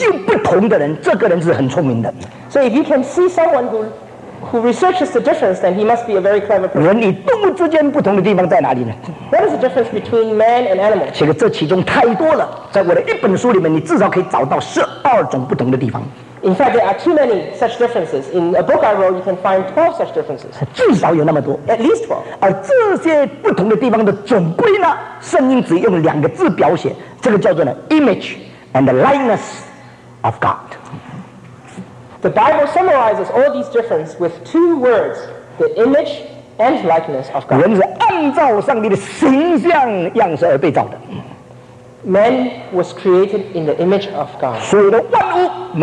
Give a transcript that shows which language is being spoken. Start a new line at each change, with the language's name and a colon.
Chinese: 所以你看见这个研究不同的人，这个人是很聪明的。
English: So if you can see someone who researches the difference, then he must be a very clever person.
Chinese: 人与动物之间不同的地方在哪里呢？
English: What is the difference between man and animal?
Chinese: 其实这其中太多了，在我的一本书里面，你至少可以找到12种不同的地方。
English: In fact, there are too many such differences. In a book I wrote, you can find 12 such differences.
Chinese: 至少有那么多。
English: At least 12.
Chinese: 而这些不同的地方的总归呢，圣经只用两个字表写，这个叫做呢
English: image and the likeness of God. The Bible summarizes all these differences with two words, the image and likeness of God.
Chinese: 人是按照上帝的形象样式而被造的。
English: Man was created in the image of God.